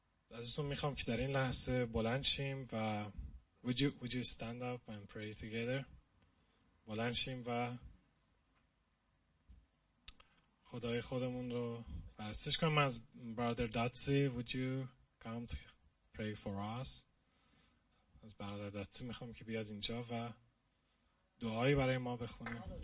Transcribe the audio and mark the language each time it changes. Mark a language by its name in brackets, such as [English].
[Persian] ازتون میخوام که در این لحظه بلند شیم و [English] would you stand up and pray together. [Persian] بلند شیم و خدای خودمون رو پرستش کنیم. از برادر داتسی، [English] would you come to pray for us. [Persian] از برادر داتسی میخوام که بیاد اینجا و دعایی برای ما بخونه.